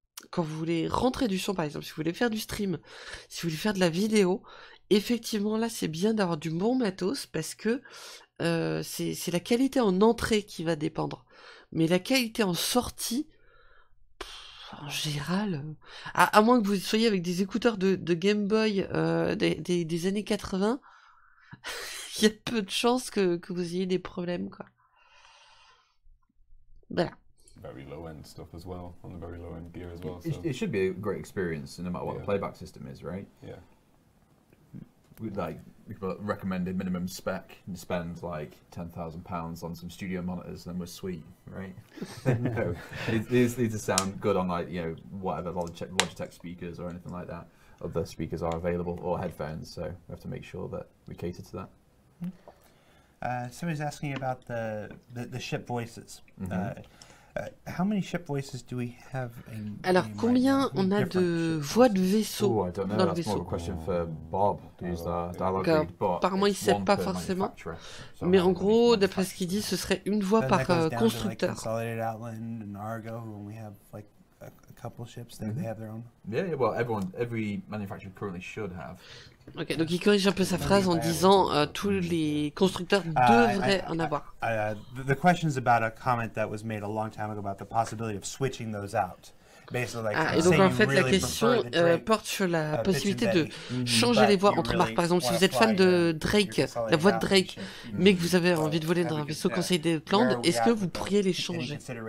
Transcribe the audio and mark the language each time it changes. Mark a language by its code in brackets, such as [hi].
[fr] Quand vous voulez rentrer du son, par exemple, si vous voulez faire du stream, si vous voulez faire de la vidéo, effectivement, là, c'est bien d'avoir du bon matos, parce que c'est la qualité en entrée qui va dépendre. Mais la qualité en sortie... En général, à moins que vous soyez avec des écouteurs de Game Boy des années 80, il y a peu de chances que vous ayez des problèmes, quoi. Voilà. [en] Very low end stuff as well, on the very low end gear as well. It should be a great experience, no matter what the playback system is, right? Yeah. We'd like recommended minimum spec and spend like £10,000 on some studio monitors, then we're sweet, right? these sound good on like, you know, whatever Logitech speakers or anything like that. Other speakers are available, or headphones, so we have to make sure that we cater to that. Somebody's asking about the ship voices. How many ship voices do we have in [fr] Alors, combien on a de voix de vaisseau dans le vaisseau? [en] Oh, I don't know, that's more a question for Bob, who's the dialogue lead, but [fr] apparemment, il sait pas forcément. Mais en gros, d'après ce qu'il dit, ce serait une voix par constructeur. [en] Consolidated Outland and Argo, when we have like a couple ships, then they have their own. Yeah, well, every manufacturer currently should have. [fr] Ok, donc il corrige un peu sa phrase en disant tous les constructeurs devraient en avoir. [en] The question is about a comment that was made a long time ago about the possibility of switching those out. [fr] Et donc en fait la question porte sur la possibilité de changer les voix entre marques. Par exemple, si vous êtes fan de Drake, la voix de Drake, mais que vous avez envie de voler dans un vaisseau conseil d'Eklund, est-ce que vous pourriez les changer?